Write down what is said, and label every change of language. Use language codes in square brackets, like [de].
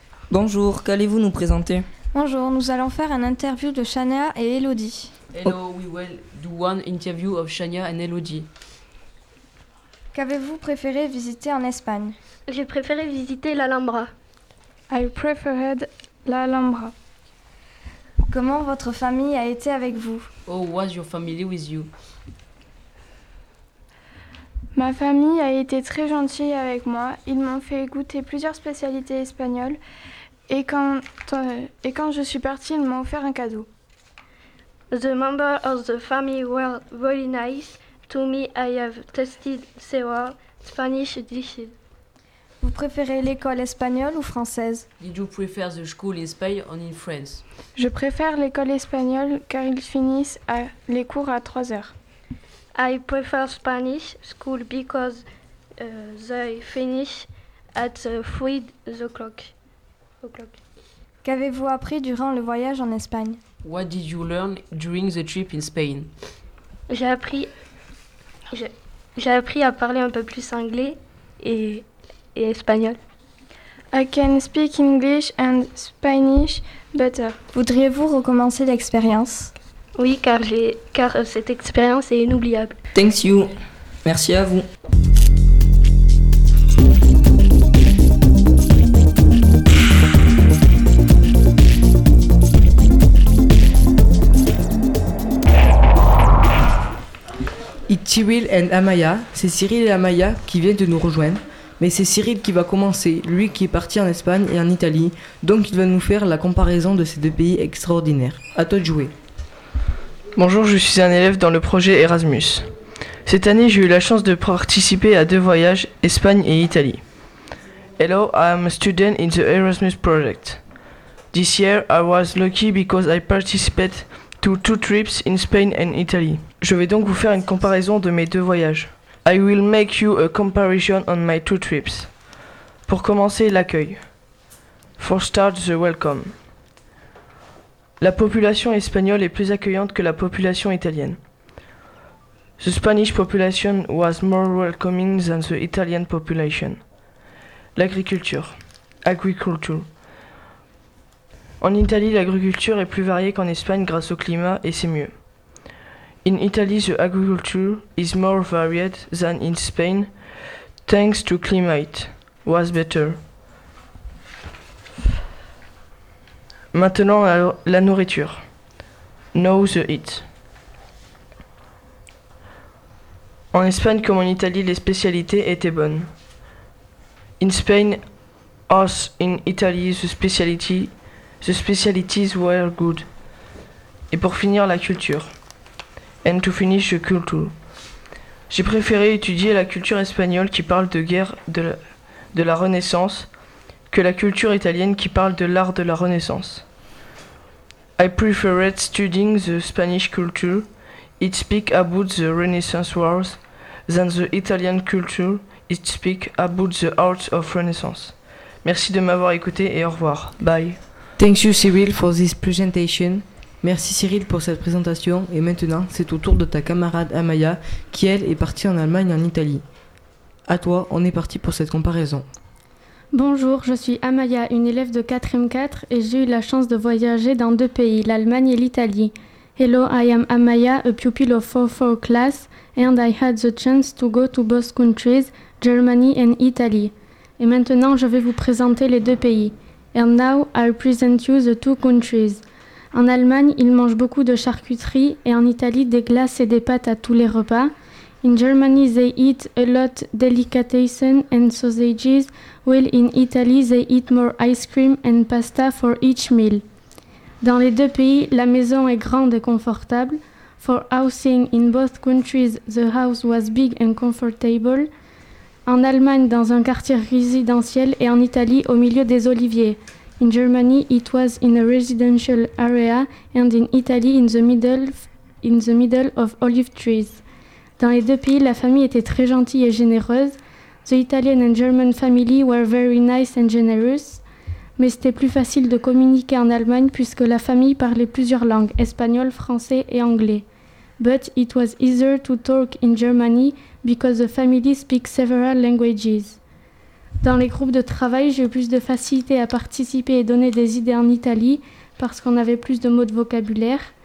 [fr] Bonjour, qu'allez-vous nous présenter? Bonjour, nous allons faire une interview de Shania et Elodie. [en] Hello, we will do one interview of Shania and Elodie. [fr] Qu'avez-vous préféré visiter en Espagne? J'ai préféré visiter l'Alhambra. [en] I preferred l'Alhambra. [fr] Comment votre famille a été avec vous? [en] Oh, was your family with you? [fr] Ma famille a été très gentille avec moi. Ils m'ont fait goûter plusieurs spécialités espagnoles. Et quand je suis partie, ils m'ont offert un cadeau. [en] The members of the family were very nice. To me, I have tested several Spanish dishes. [fr] Vous préférez l'école espagnole ou française? [en] Did you prefer the school in Spain or in France? [fr] Je préfère l'école espagnole car ils finissent les cours à 3 heures. [en] I prefer Spanish school because they finish at 3 o'clock. [fr] Qu'avez-vous appris durant le voyage en Espagne? [en] What did you learn during the trip in Spain? [fr] J'ai appris à parler un peu plus anglais et espagnol. [en] I can speak English and Spanish better. [fr] Voudriez-vous recommencer l'expérience? Oui, car cette expérience est inoubliable. [en] Thanks you. [fr] Merci à vous. Cyril et Amaya, c'est Cyril et Amaya qui viennent de nous rejoindre, mais c'est Cyril qui va commencer, lui qui est parti en Espagne et en Italie, donc il va nous faire la comparaison de ces deux pays extraordinaires. À toi de jouer. Bonjour, je suis un élève dans le projet Erasmus. Cette année, j'ai eu la chance de participer à deux voyages, Espagne et Italie. [en] Hello, I'm a student in the Erasmus project. This year, I was lucky because I participated to two trips in Spain and Italy. [fr] Je vais donc vous faire une comparaison de mes deux voyages. [en] I will make you a comparison on my two trips. [fr] Pour commencer, l'accueil. [en] For start, the welcome. [fr] La population espagnole est plus accueillante que la population italienne. [en] The Spanish population was more welcoming than the Italian population. [fr] L'agriculture. Agriculture. En Italie, l'agriculture est plus variée qu'en Espagne grâce au climat et c'est mieux. [en] In Italy, the agriculture is more varied than in Spain, thanks to climate, was better. [fr] Maintenant, la nourriture. [en] Now the eat. [fr] En Espagne comme en Italie, les spécialités étaient bonnes. [en] In Spain, us in Italy, the specialties were good. [fr] Et pour finir, la culture. [en] And to finish, the culture. [fr] J'ai préféré étudier la culture espagnole qui parle de guerre de la Renaissance que la culture italienne qui parle de l'art de la Renaissance. [en] I preferred studying the Spanish culture. It speaks about the Renaissance Wars than the Italian culture. It speaks about the art of Renaissance. [fr] Merci de m'avoir écouté et au revoir. [en] Bye. Thank you, Cyril, for this presentation. [fr] Merci Cyril pour cette présentation et maintenant c'est au tour de ta camarade Amaya qui elle est partie en Allemagne et en Italie. À toi, on est parti pour cette comparaison. Bonjour, je suis Amaya, une élève de 4ème 4 et j'ai eu la chance de voyager dans deux pays, l'Allemagne et l'Italie. [en] Hello, I am Amaya, a pupil of 4-4 class and I had the chance to go to both countries, Germany and Italy. [fr] Et maintenant je vais vous présenter les deux pays. [en] And now I'll present you the two countries. [fr] En Allemagne, ils mangent beaucoup de charcuterie et en Italie, des glaces et des pâtes à tous les repas. [en] In Germany, they eat a lot delicatessen and sausages, while in Italy, they eat more ice cream and pasta for each meal. [fr] Dans les deux pays, la maison est grande et confortable. [en] For housing, in both countries, the house was big and comfortable. [fr] En Allemagne, dans un quartier résidentiel et en Italie, au milieu des oliviers. [en] In Germany, it was in a residential area and in Italy, in the middle of olive trees. [fr] Dans les deux pays, la famille était très gentille et généreuse. [en] The Italian and German family were very nice and generous. [fr] Mais c'était plus facile de communiquer en Allemagne puisque la famille parlait plusieurs langues, espagnol, français et anglais. [en] But it was easier to talk in Germany because the family speaks several languages. [fr] Dans les groupes de travail, j'ai eu plus de facilité à participer et donner des idées en Italie parce qu'on avait plus de mots de vocabulaire.